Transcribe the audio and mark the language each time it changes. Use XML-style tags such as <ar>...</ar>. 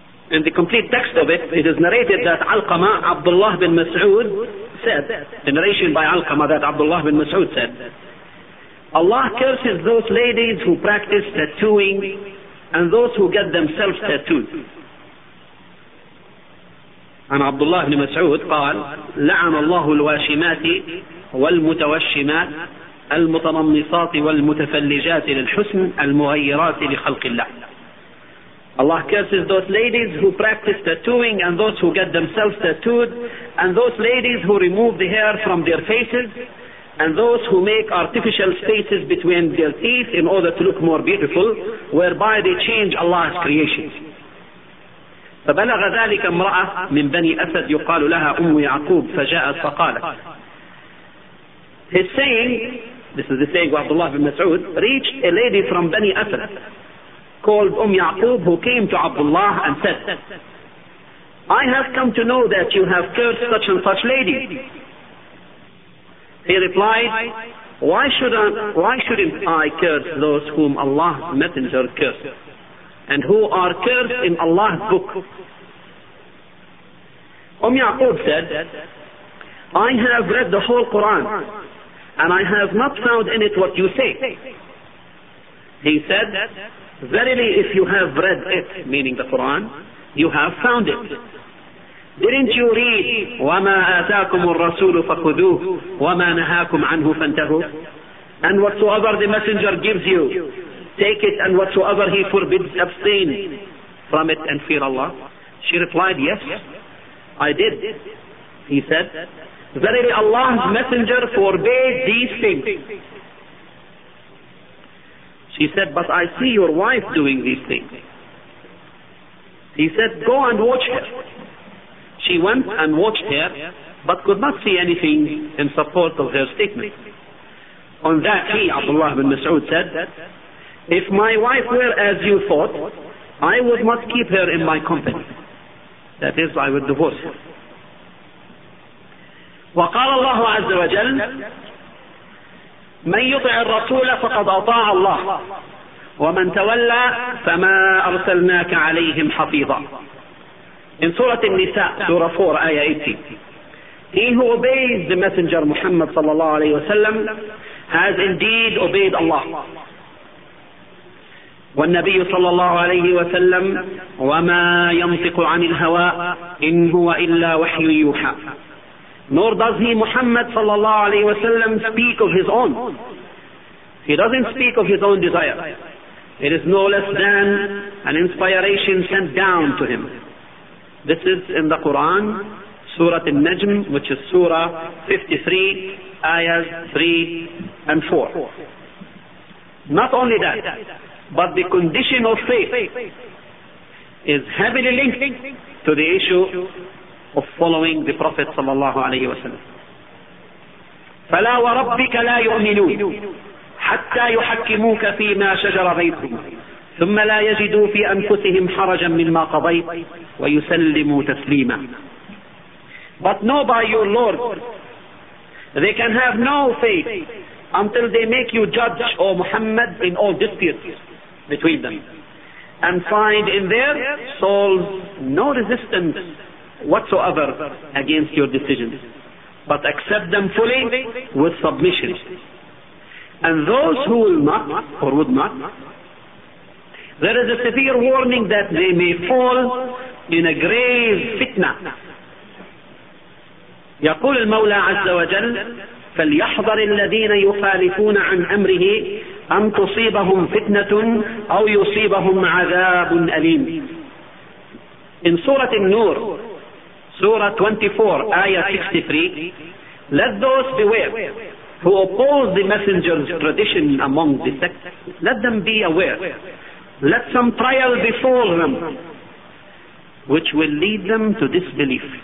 <en>in the complete text of it, it is narrated that Alqama, Abdullah bin Mas'ud, said, the narration by Alqama that Abdullah bin Mas'ud said, Allah curses those ladies who practice tattooing and those who get themselves tattooed.</en> <ar>And Abdullah bin Mas'ud قال, لعن الله الواشمات والمتوشمات المتنمصات والمتفلجات للحسن المغيرات لخلق الله.</ar> <en>Allah curses those ladies who practice tattooing and those who get themselves tattooed, and those ladies who remove the hair from their faces, and those who make artificial spaces between their teeth in order to look more beautiful, whereby they change Allah's creation.</en> <ar>فبلغ ذلك امرأة من بني أسد يقال لها أم يعقوب فجاءت فقالت.</ar> <en>His saying, this is the saying of Abdullah bin Mas'ud, reached a lady from Bani Asad called Umm Ya'qub, who came to Abdullah and said, I have come to know that you have cursed such and such lady. He replied, why shouldn't I curse those whom Allah's Messenger cursed and who are cursed in Allah's book? Umm Ya'qub said, I have read the whole Quran and I have not found in it what you say. He said, verily if you have read it, meaning the Quran, you have found it. Didn't you read,</en> <ar>وَمَا آتَاكُمُ الرَّسُولُ فَخُذُوهُ وَمَا نَهَاكُمْ عَنْهُ فَانْتَهُوا.</ar> <en>And whatsoever the messenger gives you, take it, and whatsoever he forbids, abstain from it and fear Allah. She replied, yes, I did. He said, verily Allah's messenger forbade these things. She said, but I see your wife doing these things. He said, go and watch her. She went and watched her, but could not see anything in support of her statement. On that he, Abdullah bin Mas'ud, said, if my wife were as you thought, I would not keep her in my company. That is, I would divorce her.</en> <ar>وقال الله عز وجل من يطع الرسول فقد أطاع الله ومن تولى فما أرسلناك عليهم حفيظا.</ar> <en>In Surah An-Nisa, Surah 4, Ayah 18. He who obeys the Messenger Muhammad sallallahu alayhi wasallam has indeed obeyed Allah.</en> <ar>والنبي صلى الله عليه وسلم وما ينطق عن الهوى إن هو إلا وحي يوحى.</ar> <en>Nor does he, Muhammad sallallahu alayhi wa sallam, speak of his own. He doesn't speak of his own desire. It is no less than an inspiration sent down to him. This is in the Quran, Surah An-Najm, which is Surah 53, Ayahs 3 and 4. Not only that, but the condition of faith is heavily linked to the issue of following the Prophet</en> <ar>صلى الله عليه وسلم. فلا وربك لا يؤمنون حتى يحكموك فيما شجر بينهم ثم لا يجدوا في أنفسهم حرجا مما قضيت ويسلموا تسليما.</ar> <en>But know by your Lord, they can have no faith until they make you judge, O Muhammad, in all disputes between them, and find in their souls no resistance whatsoever against your decisions, but accept them fully with submission. And those who will not, or would not, there is a severe warning that they may fall in a grave fitna.</en> <ar>يقول المولى عز وجل فليحذر الذين يخالفون عن أمره أن تصيبهم فتنة أو يصيبهم عذاب أليم.</ar> <en>In Surah An-Nur, Surah 24, Ayah 63, let those beware who oppose the Messenger's tradition among the sects, let them be aware. Let some trial befall them, which will lead them to disbelief.</en>